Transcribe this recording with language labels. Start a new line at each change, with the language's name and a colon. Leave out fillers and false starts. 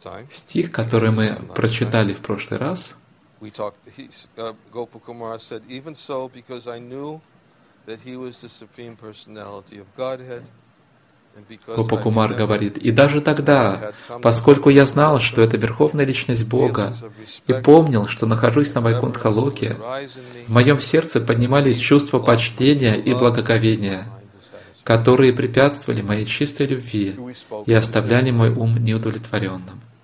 Russian: Стих, который мы прочитали в прошлый раз,
English: Гопа-кумара said, even so, because I knew that he was the supreme personality of Godhead,
Russian: Гопа-кумар говорит, и даже тогда, поскольку я знал, что это Верховная Личность Бога, и помнил, что нахожусь на Вайкунтха-локе, в моем сердце поднимались чувства почтения и благоговения, которые препятствовали моей чистой любви и оставляли мой ум неудовлетворенным.